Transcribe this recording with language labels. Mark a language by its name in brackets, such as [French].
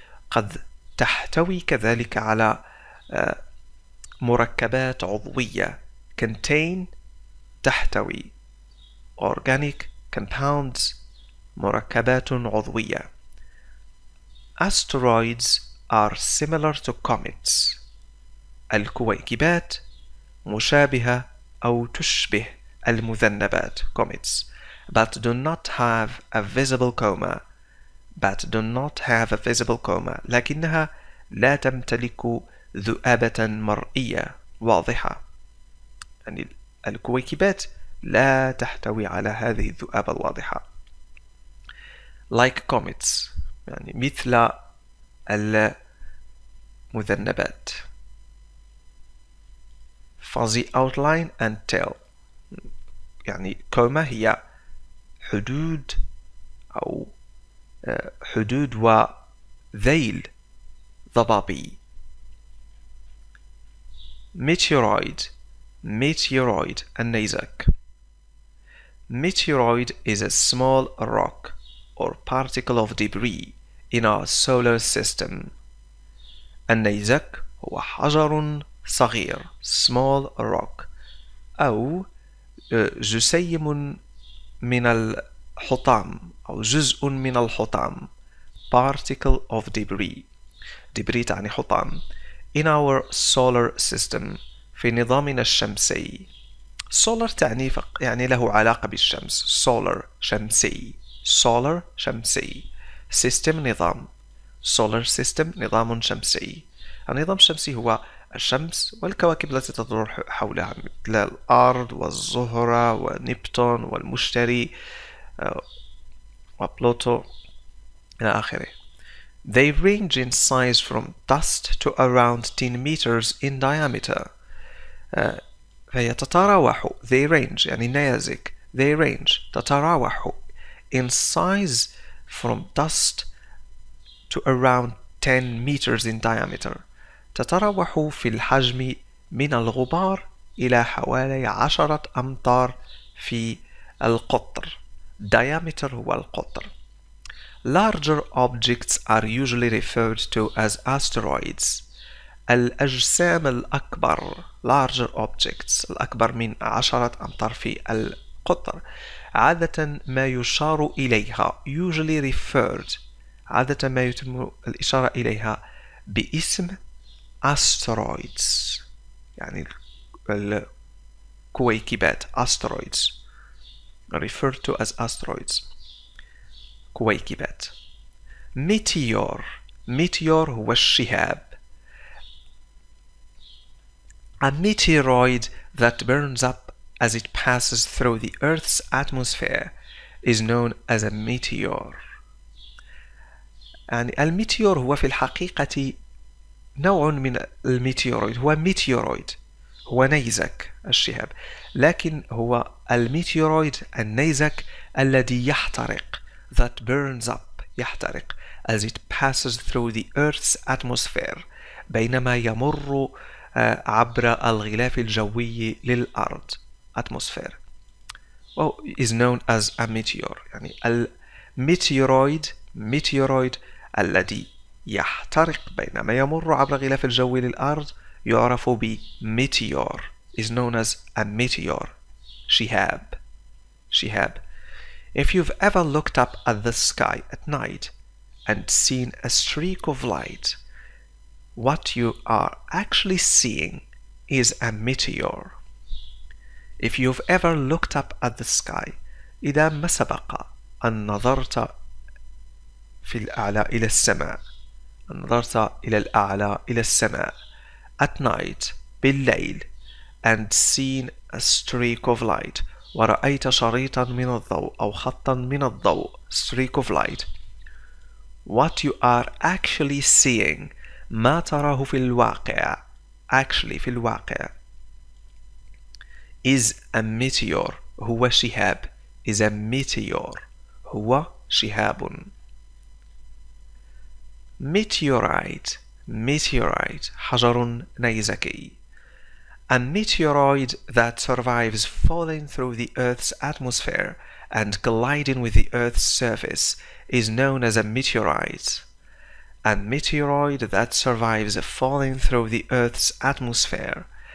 [Arabic] قد تحتوي كذلك على مركبات عضوية. Contain تحتوي. [English] Organic compounds [Arabic] مركبات عضوية. [English] Asteroids are similar to comets. [Arabic] الكويكبات مشابهة أو تشبه المذنبات [English] comets. But do not have a visible coma. but do not have a visible coma. [Arabic] لكنها لا تمتلك ذؤابة مرئية واضحة. يعني الكويكبات لا تحتوي على هذه الذؤابة الواضحة. [English] Like comets, [Arabic] يعني مثل المذنبات. [English] Fuzzy outline and tail, [Arabic] يعني كوما هي حدود أو حدود وذيل ضبابي. [English] Meteoroid, meteoroid, النيزك. Meteoroid is a small rock or particle of debris in our solar system. [Arabic] النيزك هو حجر صغير, [English] small rock, [Arabic] أو جسيم من الحطام أو جزء من الحطام, [English] particle of debris, [Arabic] debris تعني حطام, [English] in our solar system, [Arabic] في نظامنا الشمسي. Solar تعني يعني له علاقة بالشمس. Solar شمسي, solar شمسي, system نظام, [English] solar system [Arabic] نظام شمسي. النظام الشمسي هو الشمس والكواكب التي تدور حولها مثل الأرض والزهرة ونبتون والمشتري وبلوتو إلى آخره. [English] They range in size from dust to around 10 meters in diameter. [Arabic] فهي تتراوح. [English] They range [Arabic] يعني نيازك. [English] They range [Arabic] تتراوح [English] in size from dust to around 10 meters in diameter. [Arabic] تتراوح في الحجم من الغبار إلى حوالي 10 أمتار في القطر. Diameter هو القطر. [English] Larger objects are usually referred to as asteroids. [Arabic] الأجسام الأكبر, [English] larger objects, [Arabic] الأكبر من 10 أمتار في القطر, عادة ما يشار إليها, [English] usually referred, [Arabic] عادة ما يتم الإشارة إليها باسم asteroids, يعني الكويكبات, asteroids, [English] referred to as asteroids, [Arabic] كويكبات. Meteor, meteor هو الشهاب. [English] A meteoroid that burns up as it passes through the Earth's atmosphere is known as a meteor. [Arabic] يعني الميتيور هو في الحقيقة نوع من الميتيورويد, هو ميتيورويد, هو نيزك الشهاب, لكن هو الميتيورويد النيزك الذي يحترق, [English] that burns up, [Arabic] يحترق, [English] as it passes through the Earth's atmosphere, [Arabic] بينما يمر عبر الغلاف الجوي للأرض, atmosphere, well, [English] is known as a meteor, [Arabic] يعني الميتيورويد, ميتيورويد الذي يحترق بينما يمر عبر غلاف الجو للأرض يعرف ب meteor, is known as a meteor, شهاب, شهاب. [English] If you've ever looked up at the sky at night and seen a streak of light, what you are actually seeing is a meteor. If you've ever looked up at the sky, [Arabic] إذا ما سبق أن نظرت في الأعلى إلى السماء, نظرت إلى الأعلى إلى السماء, [English] at night, [Arabic] بالليل, [English] and seen a streak of light, [Arabic] ورأيت شريطا من الضوء أو خطا من الضوء, [English] streak of light, what you are actually seeing, [Arabic] ما تراه في الواقع, [English] actually في الواقع, is a meteor, [Arabic] هو شهاب, [English] is a meteor, هو شهاب. [Arabic] Meteorite, meteorite, حجر نيزكي. [English] A meteoroid that survives falling through the Earth's atmosphere and colliding with the Earth's surface is known as a meteorite. A meteoroid that survives falling through the Earth's atmosphere.